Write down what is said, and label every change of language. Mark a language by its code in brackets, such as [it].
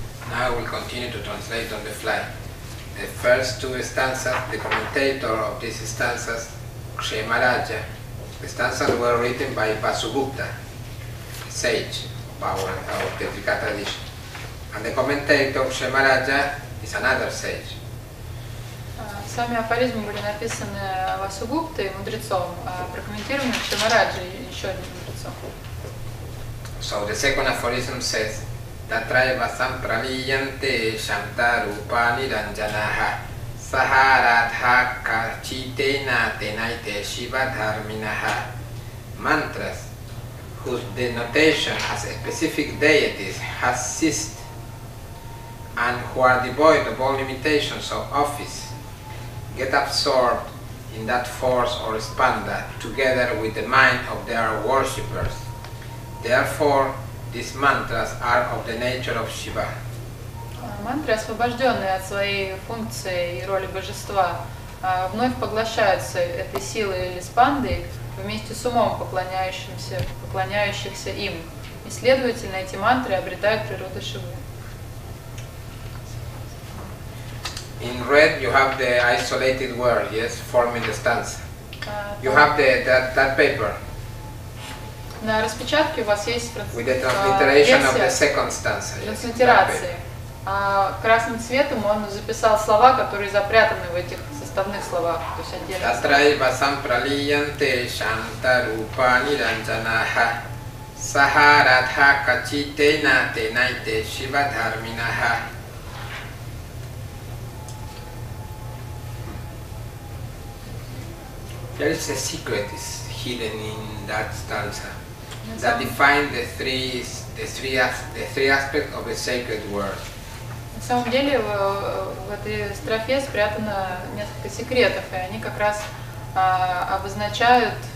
[en] Now we'll continue to translate on the fly. The first two stanzas, the commentator of these stanzas, Kshemaraja. The stanzas were written by Vasugupta, sage of our Tetrika tradition. And the commentator, Kshemaraja, is another sage. [ru] Сами афоризмы были написаны Васугуптой и мудрецом, а прокомментированы Кшемараджи еще одним мудрецом. [en] So the second aphorism says, [sa] Tatraya vasam praniyante shanta rupani ranjanaha saharadha kachitena tenaite shiva dharminaha. [en] Mantras whose denotation as a specific deities has ceased and who are devoid of all limitations of office get absorbed in that force or spanda together with the mind of their worshippers. Therefore, these mantras are of the nature of Shiva. [ru] Мантры, освобожденные от своей функции и роли божества, вновь поглощаются этой силой или спандой вместе с умом поклоняющихся им. И, следовательно, эти мантры обретают природу Шивы. [en] In red you have the isolated word, yes, forming the stanza. You have that paper. [ru] На распечатке у вас есть [en] with the transliteration of the second stanza. [ru] Транслитерации. Красным цветом он записал слова, которые запрятаны в этих составных словах, то есть отдельно. [sa] Татрай басам пралиянте шанта рупа ниранджанаха сахарадха качите на тенайте шива дхарминаха. [en] There is a secret is hidden in that stanza that defines the three aspects of the sacred word. [ru] На самом деле в этой строфе спрятано несколько секретов, и они как раз обозначают